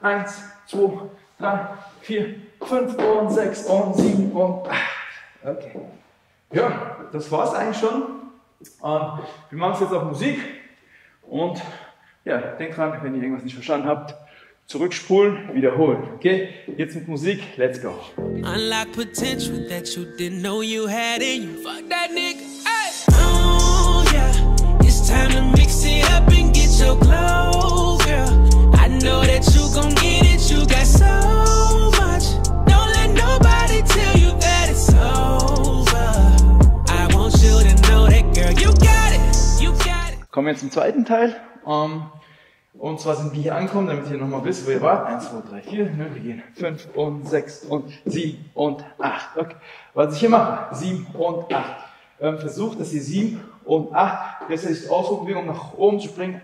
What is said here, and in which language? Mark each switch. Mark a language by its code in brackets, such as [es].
[de] 1, 2, 3, 4, 5 und 6 und 7 und 8. Okay. Ja, das war's eigentlich schon. Wir machen es jetzt auf Musik. Und ja, denkt dran, wenn ihr irgendwas nicht verstanden habt, zurückspulen, wiederholen. Okay, jetzt mit Musik, [en] let's go. Unlock potential that you didn't know you had in you. Fuck that nigga. Hey. Oh yeah, it's time to mix it up and get your glow, girl. I know that you gon' get it, you got so much. Don't let nobody tell you that it's over. I want you to know that, girl, you got it, you got it. [de] Kommen wir zum zweiten Teil. Und zwar sind wir hier angekommen, damit ihr nochmal wisst, wo ihr wart. 1, 2, 3, 4, ne, wir gehen. 5 und 6 und 7 und 8. Okay, was ich hier mache, 7 und 8. Versucht, dass ihr 7 und 8, dass ihr euch ausprobiert, um nach oben zu springen.